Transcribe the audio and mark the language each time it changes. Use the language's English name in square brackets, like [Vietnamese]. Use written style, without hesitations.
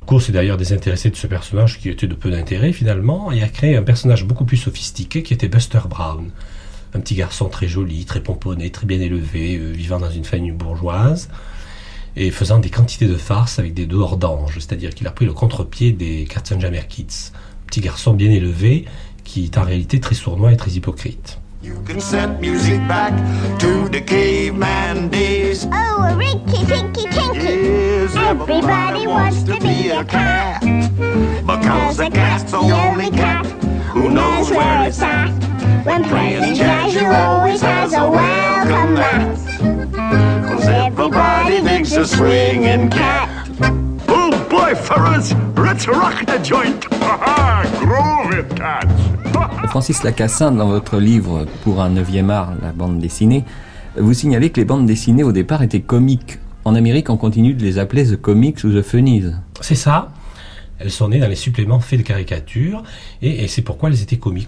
[French] Cours s'est d'ailleurs désintéressé de ce personnage qui était de peu d'intérêt finalement et a créé un personnage beaucoup plus sophistiqué qui était Buster Brown. Un petit garçon très joli, très pomponné, très bien élevé, vivant dans une famille bourgeoise et faisant des quantités de farces avec des dehors d'anges, c'est-à-dire qu'il a pris le contre-pied des Katzenjammer Kids. Un petit garçon bien élevé qui est en réalité très sournois et très hypocrite. [English] You can send music back to the caveman days. Oh, a rinky tinky tinky. Yes, everybody wants to be a cat. Because a cat's the only cat who knows where it's at. When praying jazz, you always has a welcome mat. Cause everybody thinks a swinging cat. Oh boy, fellas, let's rock the joint. Ha groovy cats. [French] Francis Lacassin, dans votre livre « Pour un 9e art, la bande dessinée », vous signalez que les bandes dessinées au départ étaient comiques. En Amérique, on continue de les appeler « [English] The Comics [French] » ou « [English] The Funnies ». [French] C'est ça. Elles sont nées dans les suppléments faits de caricatures et c'est pourquoi elles étaient comiques.